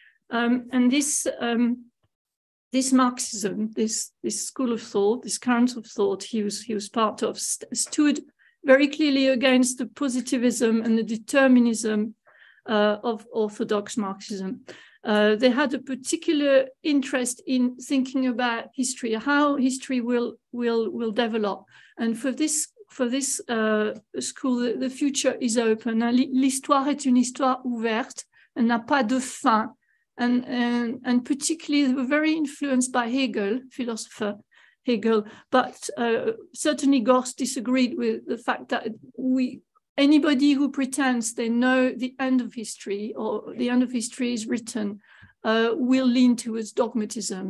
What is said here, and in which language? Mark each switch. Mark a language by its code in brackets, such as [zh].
[en] And this Marxism, this school of thought, this current of thought he was part of, stood very clearly against the positivism and the determinism of orthodox Marxism. They had a particular interest in thinking about history, how history will develop. And for this school, the future is open. [fr] L'histoire est une histoire ouverte et n'a pas de fin. [en] And particularly, they were very influenced by Hegel, philosopher Hegel. But certainly, Gorz disagreed with the fact that anybody who pretends they know the end of history or the end of history is written will lean towards dogmatism.